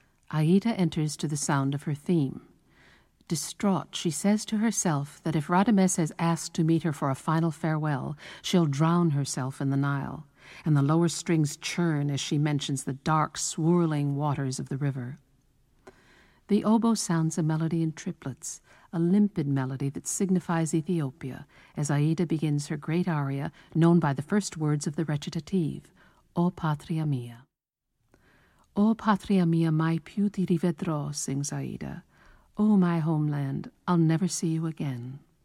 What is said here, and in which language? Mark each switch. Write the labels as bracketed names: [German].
[English] Aida enters to the sound of her theme. Distraught, she says to herself that if Radames has asked to meet her for a final farewell, she'll drown herself in the Nile, and the lower strings churn as she mentions the dark, swirling waters of the river. The oboe sounds a melody in triplets, a limpid melody that signifies Ethiopia, as Aida begins her great aria, known by the first words of the recitative, O Patria Mia. [Italian] O Patria Mia, mai più ti rivedrò, sings Aida. [English] O my homeland, I'll never see you again.